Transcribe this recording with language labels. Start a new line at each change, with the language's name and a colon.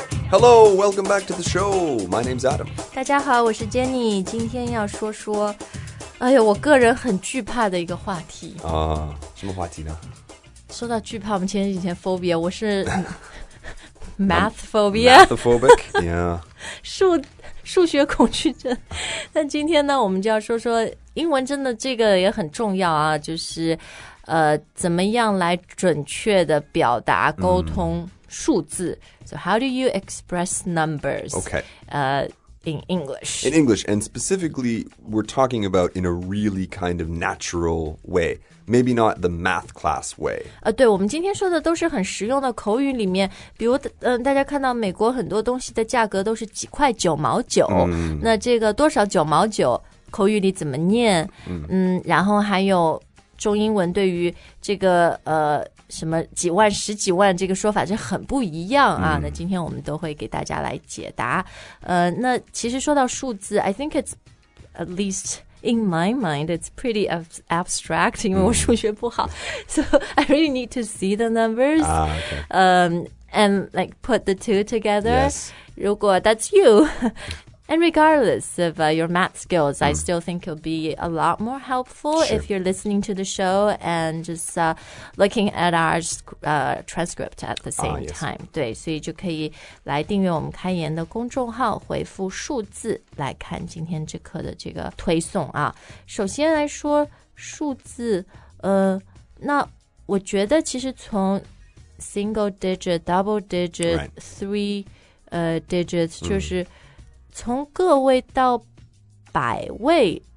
English: Hello, welcome back to the show. My name's Adam.
Chinese: 大家好，我是 Jenny. 今天要说说，哎呀，我个人很惧怕的一个话题啊。什么话题呢？说到惧怕，我们前几天 phobia， 我是
English: math phobia， math phobic， yeah，
Chinese: 数学恐惧症。那今天呢，我们就要说说英文，真的这个也很重要啊，就是怎么样来准确的表达沟通数字。
English: So how do you express numbers? Okay. In English. In English, and specifically, we're talking about in a really kind of natural way. Maybe not the math class way.
Chinese: 对，我们今天说的都是很实用的口语里面，比如大家看到美国很多东西的价格都是几块九毛九，那这个多少九毛九，口语里怎么念？然后还有中英文对于这个什么几万十几万这个说法就很不一样啊。那今天我们都会给大家来解答。那其实说到数字，
English: I think it's at least in my mind it's pretty abstract,
Chinese: 因为我数学不好。
English: So I really need to see the numbers. And like put the two together. Yes.
Chinese: 如果
English: that's you. And regardless of your math skills, I still think it'll be a lot more helpful sure. if you're listening to the show and just looking at our transcript at the same time.
Chinese: 对，所以就可以来订阅我们开言的公众号，回复数字来看今天这课的这个推送啊。首先来说数字，那我觉得其实从
English: single digit, double digit, three digits
Chinese: 就是从个位到百位